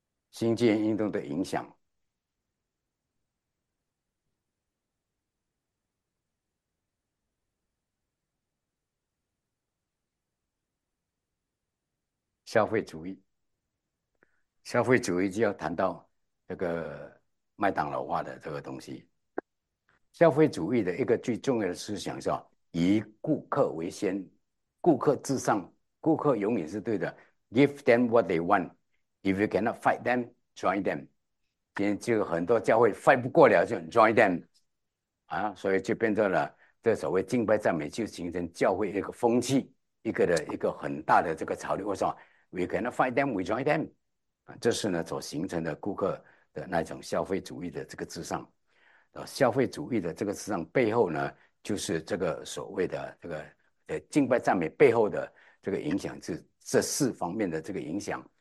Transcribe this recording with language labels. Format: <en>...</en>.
<zh>新纪元运动的影响，消费主义，消费主义就要谈到这个麦当劳化的这个东西。消费主义的一个最重要的思想是吧，以顾客为先，顾客至上，顾客永远是对的。</zh> <en>Give them what they want, if you cannot fight them。 Join them，</en> <zh>今天就很多教会 fight 不过了，就</zh> <en>join them，</en> <zh>啊，所以就变成了这所谓敬拜赞美，就形成教会一个风气，一个很大的这个潮流。我说</zh> <en>we cannot fight them，we join them，</en> <zh>啊，这是呢所形成的顾客的那种消费主义的这个至上，啊，消费主义的这个至上背后呢，就是这个所谓的敬拜赞美背后的这个影响，是这四方面的这个影响。</zh>